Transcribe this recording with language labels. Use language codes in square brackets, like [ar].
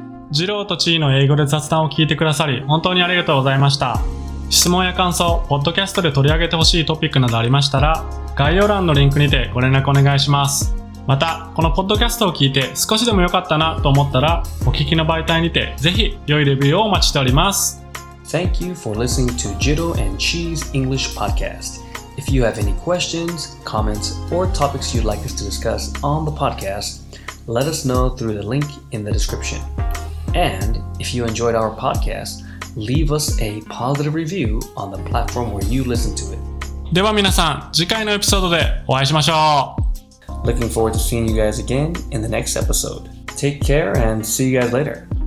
[ja] ジローとチーの英語で雑談を聞いてくださり本当にありがとうございました。質問や感想、ポッドキャストで取り上げてほしいトピックなどありましたら、概要欄のリンクにてご連絡お願いします。また、このポッドキャストを聞いて少しでも良かったなと思ったら、お聞きの媒体にてぜひ良いレビューをお待ちしております。 [en] Thank you for listening to Jiro and Chi's English Podcast. If you have any questions, comments, or topics you'd like us to discuss on the podcast, let us know through the link in the description. And if you enjoyed our podcast, leave us a positive review on the platform where you listen to it. [ja] では皆さん、次回のエピソードでお会いしましょう。 [en] Looking forward to seeing you guys again in the next episode. Take care and see you guys later.